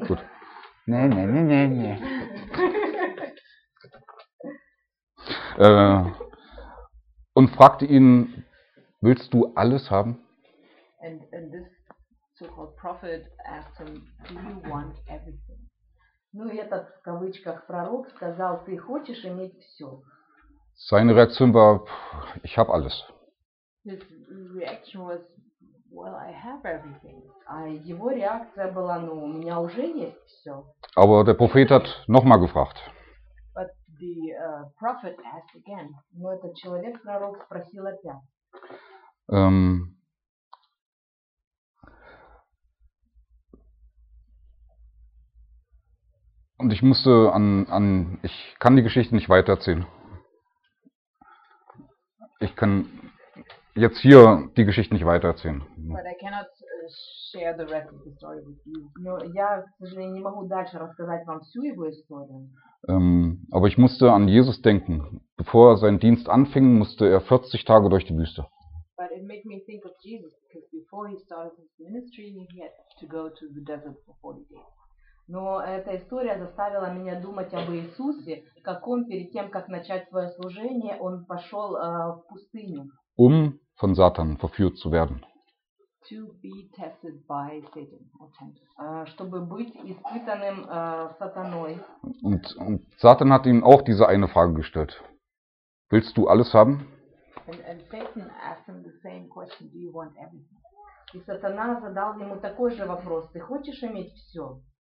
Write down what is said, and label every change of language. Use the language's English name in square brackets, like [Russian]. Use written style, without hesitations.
[English] Good. Nee. [German] und fragte ihn, willst du alles haben? [English] And this so-called prophet asked him, do you want everything? [Russian] Ну, этот, в кавычках, пророк сказал, ты хочешь иметь все? [German] Seine Reaktion war, ich habe alles. [English] His reaction was, well, I have everything. [Russian] А его реакция была, ну, у меня уже есть все. [German] Aber der Prophet hat nochmal gefragt. [English] But the prophet asked again. [Russian] Ну, этот человек, пророк, спросил опять. [German] Und ich musste ich kann die Geschichte nicht weitererzählen. Ich kann jetzt hier die Geschichte nicht weitererzählen. [English] But I cannot share the rest of the story with you. [Russian] Но я, к сожалению, не могу дальше рассказать вам всю его историю. [German] Aber ich musste an Jesus denken. Bevor er seinen Dienst anfing, musste er 40 Tage durch die Wüste. [English] But it made me think of Jesus, because before he started his ministry, he had to go to the desert for 40 days. [Russian] Но эта история заставила меня думать об Иисусе, как он перед тем, как начать свое служение, он пошел в пустыню. [German] Um von Satan verführt zu werden. [English] To be tested by Satan, [Russian] чтобы быть испытанным сатаной. [German] Und Satan hat ihm auch diese eine Frage gestellt. Willst du alles haben? [English] And Satan asked him the same question, do you want everything? [Russian] И сатана задал ему такой же вопрос, ты хочешь иметь все?